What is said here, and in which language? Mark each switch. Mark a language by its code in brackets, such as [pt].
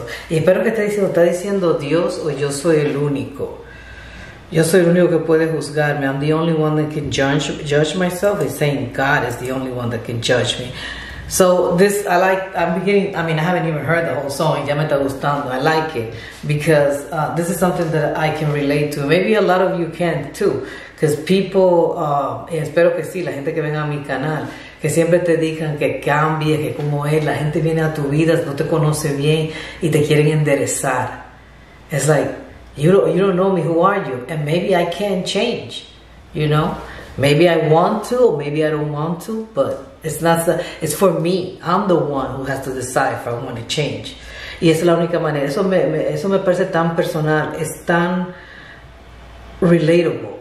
[es] Y espero que esté diciendo, ¿está diciendo Dios o yo soy el único? Yo soy el único que puede juzgarme. [en] I'm the only one that can judge myself. He's saying God is the only one that can judge me. So this, I haven't even heard the whole song. [es] Ya me está gustando. [en] I like it. Because this is something that I can relate to. Maybe a lot of you can too. Because people, [es] espero que sí, la gente que venga a mi canal, que siempre te digan que cambie, que como es, la gente viene a tu vida, no te conoce bien y te quieren enderezar. [en] It's like, you don't know me, who are you? And maybe I can change, you know? Maybe I want to, or maybe I don't want to, but it's for me. I'm the one who has to decide if I want to change. [es] Y esa es la única manera. Eso me parece tan personal, es tan relatable.